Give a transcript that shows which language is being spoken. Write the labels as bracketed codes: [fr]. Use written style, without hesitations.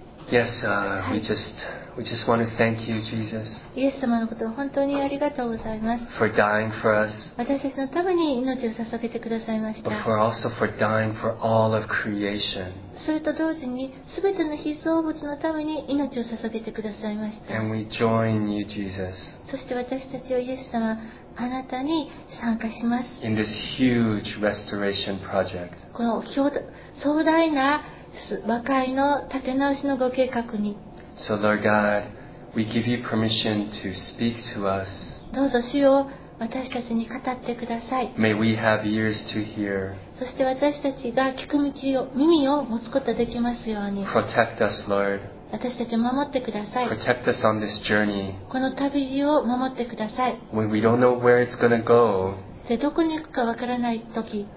[en] Yes, we just want to thank you, Jesus. [ja] イエス様のことを本当にありがとうございます。 [en] For dying for us. [ja] 私たちのために命を捧げてくださいました。 [en] But for also for dying for all of creation. [ja] それと同時に、すべての被造物のために命を捧げてくださいました。 [en] And we join you, Jesus. [ja] そして私たちをイエス様、あなたに参加します。 [en] In this huge restoration project. [ja] この壮大な和解の立て直しのご計画に。 [en] So Lord God, we give you permission to speak to us. [ja] どうぞ主よ、私たちに語ってください。 [en] May we have ears to hear. [ja] そして私たちが聞く道を耳を持つことができますように。 [en] Protect us, Lord. [ja] 私たちを守ってください。 [en] Protect us on this journey. [ja] この旅路を守ってください。 [en] When we don't know where it's gonna go. [ja] でどこに行くかわからないとき。